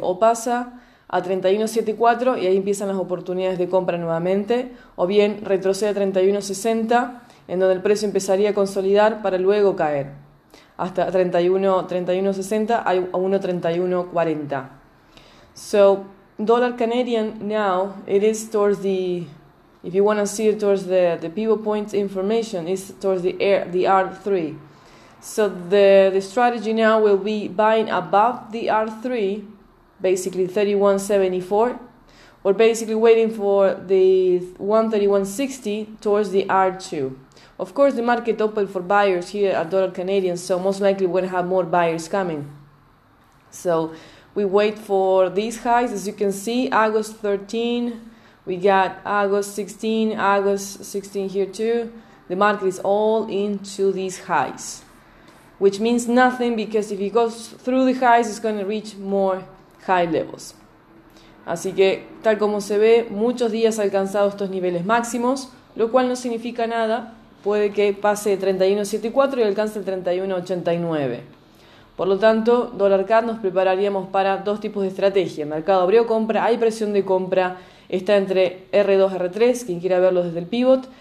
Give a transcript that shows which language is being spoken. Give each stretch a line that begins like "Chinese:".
Spanish: O pasa a 31.74 y ahí empiezan las oportunidades de compra nuevamente, o bien retrocede a 31.60, en donde el precio empezaría a consolidar para luego caer hasta 31.60 a 1.3140.
English: So, dólar Canadian now, it is towards the, if you want to see it towards the pivot point information, is towards the R3. So the strategy now will be buying above the R3, basically 31.74, or basically waiting for the 131.60 towards the R2. Of course, the market open for buyers here at Dollar Canadian, so most likely we're going to have more buyers coming. So we wait for these highs, as you can see, August 13, we got August 16 here too. The market is all into these highs, which means nothing because if it goes through the highs, it's going to reach more high levels.
Spanish: Así que, tal como se ve, muchos días ha alcanzado estos niveles máximos, lo cual no significa nada. Puede que pase 31.74 y alcance el 31.89. Por lo tanto, dólar CAD nos prepararíamos para dos tipos de estrategia. Mercado abrió compra, hay presión de compra, está entre R2 y R3, quien quiera verlo desde el pivot.